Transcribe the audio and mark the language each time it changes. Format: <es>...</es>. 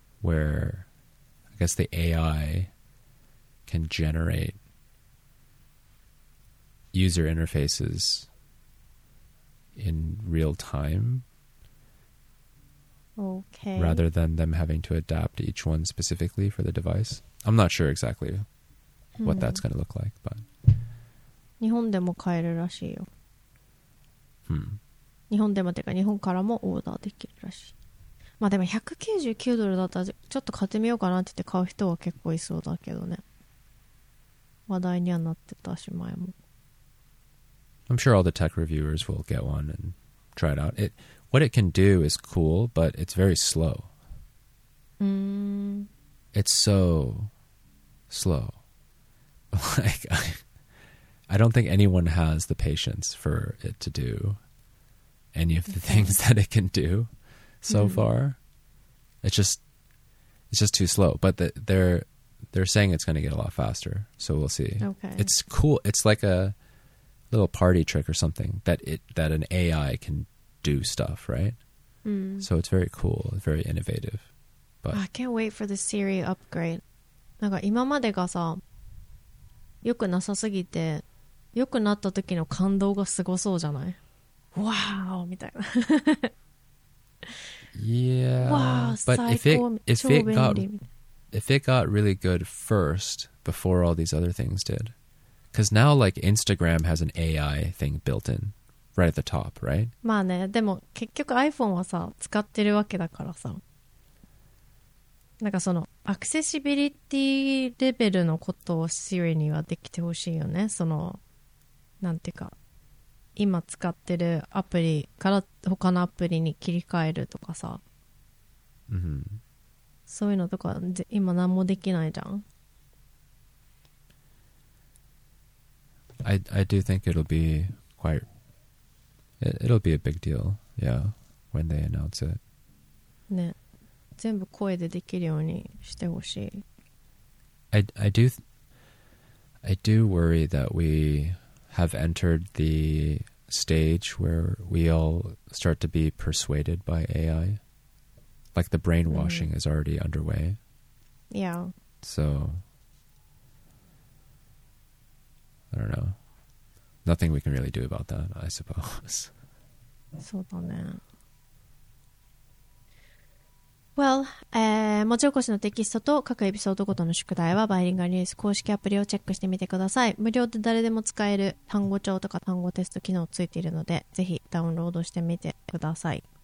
<en>Where I guess the AI can generate user interfaces in real time. Okay. Rather than them having to adapt each one specifically for the device. I'm not sure exactly what that's going to look like, but.</en> <ja>日本でも買えるらしいよ。日本でもてか日本からもオーダーできるらしい。まあでも199ドルだったらちょっと買ってみようかなって言って買う人は結構いそうだけどね。話題にはなってたし前も。</ja> <en>I'm sure all the tech reviewers will get one and try it out. It, what it can do is cool, but it's very slow. It's so slow. Like, I don't think anyone has the patience for it to do any of the things that it can do. So far, it's just too slow. But they're saying it's going to get a lot faster. So we'll see. Okay. It's cool. It's like a little party trick or something that an AI can do stuff, right? So it's very cool. Very innovative. But I can't wait for the Siri upgrade.</en> <ja>なんか今までがさ、良くなさすぎて、良くなった時の感動がすごそうじゃない？ Wow! みたいな。</ja> <en>Yeah, but if it got really good first before all these other things did, because now like Instagram has an AI thing built in, right at the top, right?</en> <ja>まあね、でも結局 iPhone はさ、使ってるわけだからさ。なんかそのアクセシビリティレベルのことを Siri にはできてほしいよね。そのなんていうか、今使ってるアプリから他のアプリに切り替えるとかさ、 mm-hmm. そういうのとか今何もできないじゃん。</ja> <en>I do think it'll be quite it'll be a big deal, yeah, when they announce it.</en> <ja>ね、全部声でできるようにしてほしい。</ja> <en>I do worry that we have entered the stage where we all start to be persuaded by AI. Like the brainwashing、mm-hmm. is already underway. Yeah. So, I don't know. Nothing we can really do about that, I suppose.</en> <ja>そうだね。 Well, もちおこしのテキストと各エピソードごとの宿題はバイリンガルニュース公式アプリをチェックしてみてください。無料で誰でも使える単語帳とか単語テスト機能ついているので、ぜひダウンロードしてみてください。</ja>